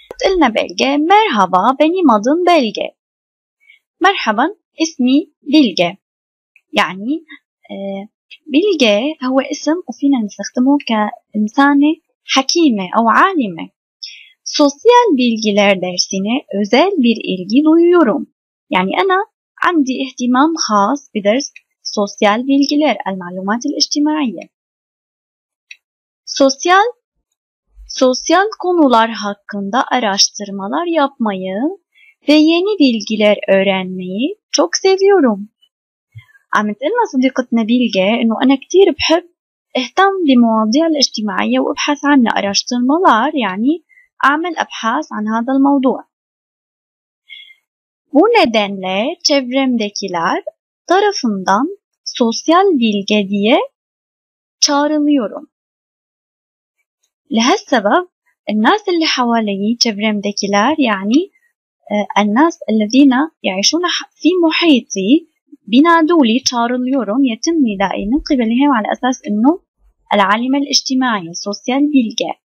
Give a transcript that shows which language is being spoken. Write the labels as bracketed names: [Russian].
[Arabic] تقلنا بيلجا مرحبا [Turkish] بني مدن [Arabic] بيلجا. مرحبا اسمي بيلجا، يعني بيلجا هو اسم وفينا نستخدمه كإنسانة حكيمة أو عالمة. [Turkish] سوسيال بيلجيلير درسيني özel bir ilgi duyuyorum، [Arabic] يعني أنا عندي اهتمام خاص بدرس سوسيال بيلجيلير المعلومات الاجتماعية. [Turkish] Sosyal konular hakkında araştırmalar yapmayı ve yeni bilgiler öğrenmeyi çok seviyorum. [Arabic] عمت إلنا صديقتنا بيلجا إنه أنا كتير بحب اهتم بمواضيع الاجتماعية وابحث عنها. [Turkish] أراشترمالار [Arabic] يعني أعمل أبحاث عن هذا الموضوع. [Turkish] Bu nedenle çevremdekiler tarafından sosyal bilge diye çağrılıyorum. [Arabic] لهالسبب الناس اللي حوالي [Turkish] çevremdekiler [Arabic] يعني الناس الذين يعيشون في محيطي بنادولي [Turkish] çağrılıyorum، [Arabic] يتم ندائي من قبلهم على أساس أنه العالم الاجتماعي سوسيال بيلجي.